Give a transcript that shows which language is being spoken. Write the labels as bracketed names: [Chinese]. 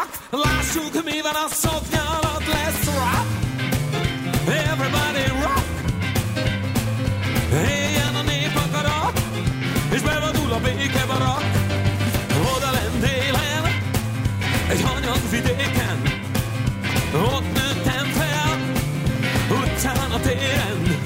[Hungarian] lássuk, mi van a szoknya alatt. [English] Let's rock, everybody rock. [Hungarian] Éljen a nép akarat, és bevadul a béke barak. Oda lent élen, egy hanyag vidéken. Ott nőttem fel, utcán a téren.